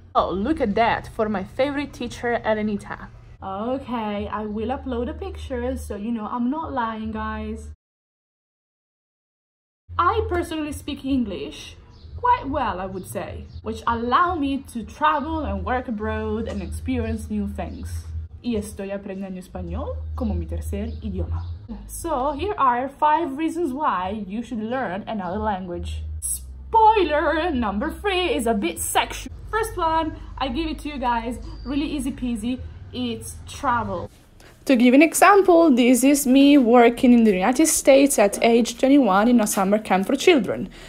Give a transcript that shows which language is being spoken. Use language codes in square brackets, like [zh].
[en] Oh, look at that, for my favorite teacher, Elenita. Okay, I will upload a picture, so you know I'm not lying, guys. I personally speak English quite well, I would say, which allow me to travel and work abroad and experience new things. [es] Y estoy aprendiendo español como mi tercer idioma. [en] So here are 5 reasons why you should learn another language. Spoiler number 3 is a bit sexual. First one, I give it to you guys, really easy peasy, it's travel. To give an example, this is me working in the United States at age 21 in a summer camp for children.